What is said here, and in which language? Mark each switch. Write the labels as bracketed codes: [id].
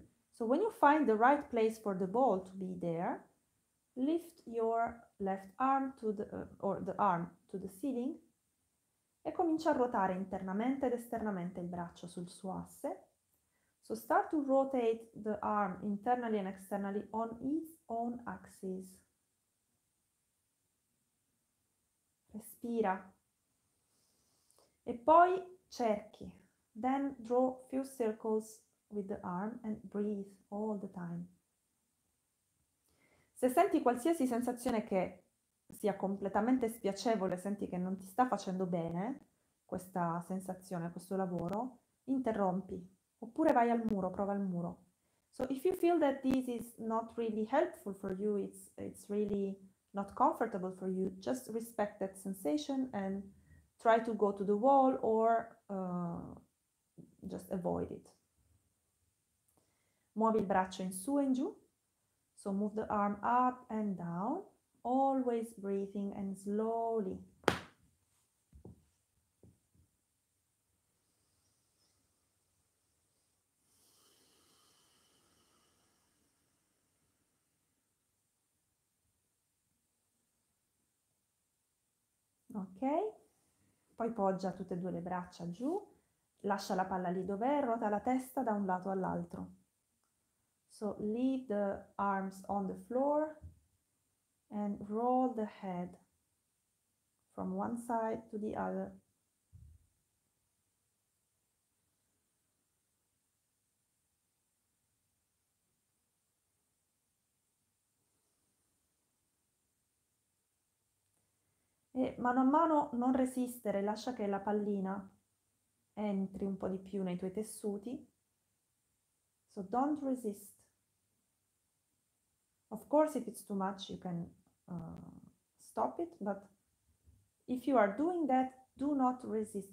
[en] So when you find the right place for the ball to be there, lift your left arm to the arm to the ceiling. [it] E comincia a ruotare internamente ed esternamente il braccio sul suo asse. [en] So start to rotate the arm internally and externally on its own axis. [it] Respira. E poi cerchi. [en] Then draw few circles with the arm and breathe all the time. [it] Se senti qualsiasi sensazione che sia completamente spiacevole, senti che non ti sta facendo bene, questa sensazione, questo lavoro, interrompi oppure vai al muro, prova al muro. [en] So if you feel that this is not really helpful for you, it's really not comfortable for you, just respect that sensation and try to go to the wall or just avoid it. [it] Muovi il braccio in su e in giù. [en] So move the arm up and down, always breathing and slowly. [it] Ok, poi poggia tutte e due le braccia giù, lascia la palla lì dov'è, ruota la testa da un lato all'altro. [en] So leave the arms on the floor and roll the head from one side to the other. [it] E mano a mano non resistere, lascia che la pallina entri un po' di più nei tuoi tessuti. [en] So don't resist. Of course, if it's too much, you can stop it, but if you are doing that, do not resist.